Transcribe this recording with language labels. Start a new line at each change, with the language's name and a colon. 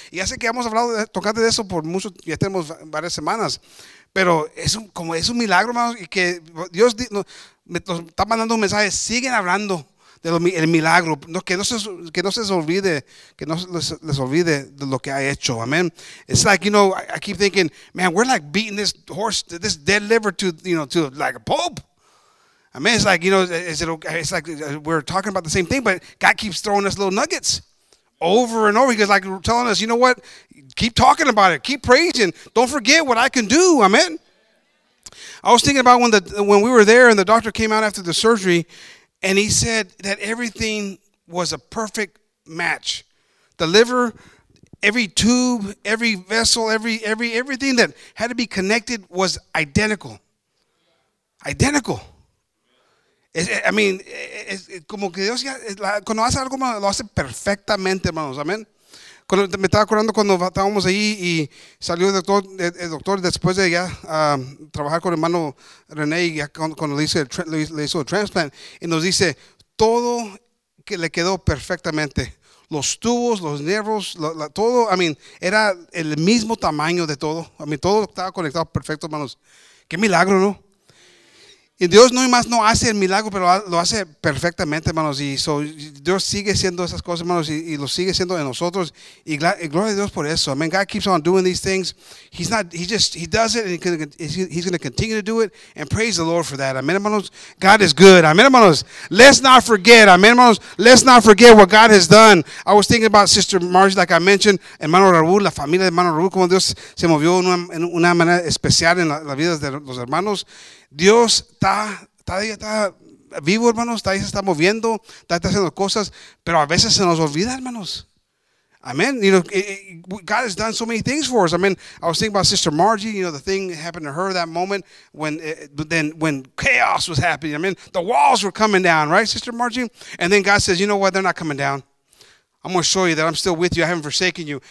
Spanish: Y hace que hemos hablado tocante de eso por mucho, ya tenemos varias semanas. Pero es un milagro, hermanos, y que Dios nos está mandando un mensaje. Siguen hablando del milagro. Que no se les olvide de lo que ha hecho.
English: Amen. It's like, you know, I keep thinking, man, we're like beating this horse, this dead liver to like a pulp. I mean, it's like, you know, it's like we're talking about the same thing, but God keeps throwing us little nuggets over and over. He's like telling us, you know what? Keep talking about it. Keep praising. Don't forget what I can do. Amen. I was thinking about when we were there and the doctor came out after the surgery and he said that everything was a perfect match. The liver, every tube, every vessel, everything that had to be connected was identical. Identical.
Spanish: I mean, como que Dios ya, cuando hace algo, lo hace perfectamente, hermanos, amén. Me estaba acordando cuando estábamos ahí y salió el doctor después de ya trabajar con el hermano René y ya cuando le hizo el transplant, y nos dice, todo que le quedó perfectamente, los tubos, los nervios, todo,
English: I mean,
Spanish: era el mismo tamaño de todo.
English: I mean,
Spanish: todo estaba conectado perfecto, hermanos. Qué milagro, ¿no? Y Dios no más no hace el milagro, pero lo hace perfectamente, hermanos. Y so, Dios sigue haciendo esas cosas, hermanos, y lo sigue haciendo en nosotros. Y gloria a Dios por eso.
English: I mean, God keeps on doing these things. He does it, and he's going to continue to do it. And praise the Lord for that. Amen, hermanos. God is good. Amen, hermanos. Let's not forget. Amen, hermanos. Let's not forget what God has done. I was thinking about Sister Margie, like I mentioned.
Spanish: Hermano Raúl, la familia de hermano Raúl, como Dios se movió en una manera especial en la vida de los hermanos. Dios está vivo, hermanos, está ahí, se está moviendo, está haciendo cosas, pero a veces se nos olvida, hermanos.
English: Amen. You know, God has done so many things for us. I mean, I was thinking about Sister Margie, you know, the thing that happened to her that moment when chaos was happening. I mean, the walls were coming down, right, Sister Margie? And then God says, you know what, they're not coming down. I'm going to show you that I'm still with you. I haven't forsaken you.